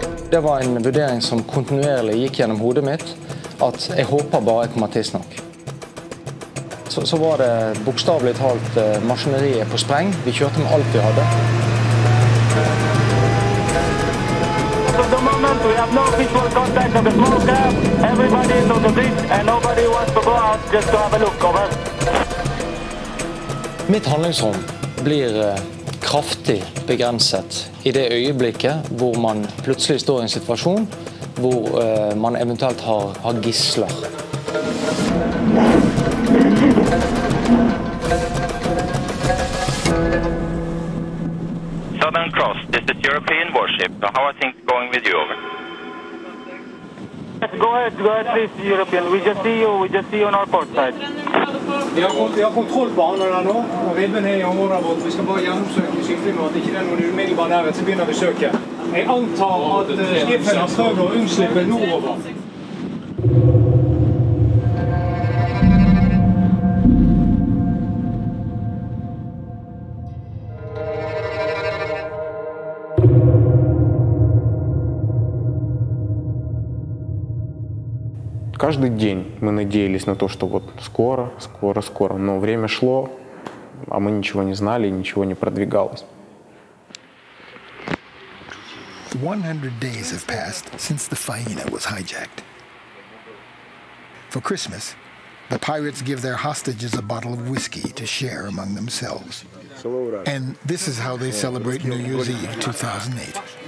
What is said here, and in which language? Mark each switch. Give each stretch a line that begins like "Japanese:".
Norwegian: Det var en vurdering som kontinuerlig gikk gjennom hodet mitt, at jeg håper bare jeg kommer tidsnok. Så var det bokstavlig talt maskineriet på spreng. Vi kjørte med alt vi hadde.
English: For the moment, we have no visual contact of the small craft. Everybody is on the beach, and nobody wants to go out just to have a look over.
Norwegian: Mitt handlingsrom blir kraftig begrenset i det øyeblikket hvor man plutselig står i en situasjon hvor man eventuelt har gisler.
English: Southern Cross, this is European warship. How are things going with you? Over. Go ahead, please, European. We just see you on our port side.
Norwegian: Vi har kontroll på andre nå, og ribben er i området vårt. Vi skal bare gjennomsøke skiflimmer, at det ikke er noen umiddelbar nærhet, så begynner vi å søke. Jeg antar at skiffen har prøvd å unnslippe nordover.
Russian: Каждый день мы надеялись на то, что вот скоро, скоро, скоро. Но время шло, а мы ничего не знали и ничего не продвигалось.
English: 100 days have passed since the Faina was hijacked. For Christmas, the pirates give their hostages a bottle of whiskey to share among themselves. And this is how they celebrate New Year's Eve 2008.